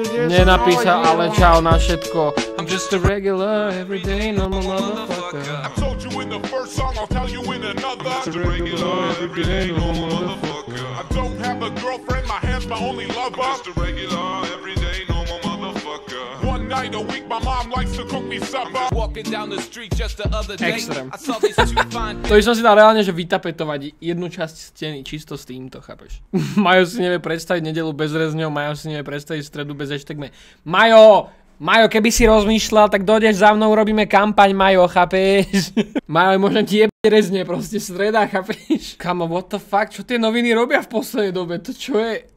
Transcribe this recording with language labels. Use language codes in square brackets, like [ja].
[sk] Nenapísal, ale čau na všetko. [en] I'm just a regular, everyday, normal motherfucker. I told you in the first song, I'll tell you in another. I'm just a regular, everyday, normal motherfucker. I don't have a girlfriend, my hands my only lover. I'm just a regular, everyday, normal motherfucker. One night a week, my mom likes to cook me supper. I'm walking down the street just the other day. [sk] Extrém. To by som si dal reálne, že vytapetovať jednu časť steny čisto s týmto, chápeš? Majo si nevie predstaviť nedeľu bez rezňov, Majo si nevie predstaviť stredu bez hashtagme. Majo! Majo, keby si rozmýšľal, tak dojdeš za mnou, robíme kampaň, Majo, chápeš? Majo, možno ti jebne rezne, proste streda, chápeš? Kamo, [en] what the fuck, [sk] čo tie noviny robia v poslednej dobe? To čo je?